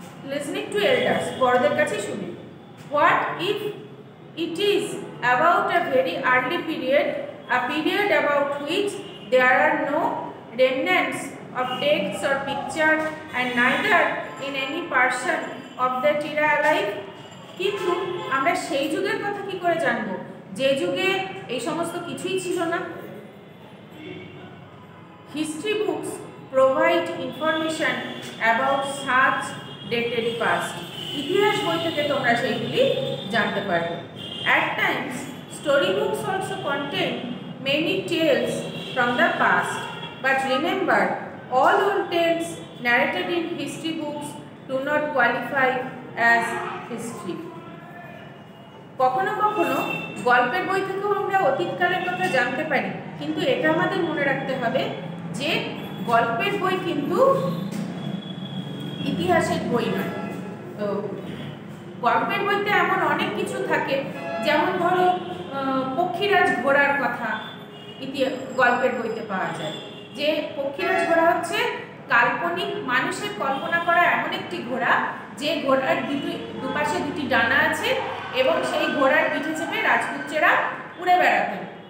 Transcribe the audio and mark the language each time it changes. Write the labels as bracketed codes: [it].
[en] listening to elders, [bn] বড়দের কাছে শুনে, [en] What if it is about a very early period, a period about which there are no remnants of text or picture and neither in any person of the era alive. [bn] কিন্তু আমরা সেই যুগের কথা কী করে জানব যে যুগে এই সমস্ত কিছুই ছিল না। [en] History books provide information about such dated past. [bn] ইতিহাস বই থেকে তোমরা সেইগুলি জানতে পারবে। [en] At times, story books also contain many tales from the past. But remember, all old tales narrated in history books do not qualify as history. [bn] কখনো কখনো গল্পের বই থেকেও আমরা অতীতকালের কথা জানতে পারি, কিন্তু এটা আমাদের মনে রাখতে হবে যে গল্পের বই কিন্তু ইতিহাসের বই নয়। তো গল্পের বইতে এমন অনেক কিছু থাকে, যেমন ধরো পক্ষীরাজ ঘোড়ার কথা গল্পের বইতে পাওয়া যায়, যে পক্ষীরাজ ঘোড়া হচ্ছে কাল্পনিক, মানুষের কল্পনা করা এমন একটি ঘোড়া যে ঘোড়ার দুপাশে দুটি ডানা আছে এবং সেই ঘোড়ার পিঠে চেপে রাজপুত্রেরা উড়ে বেড়াতেন।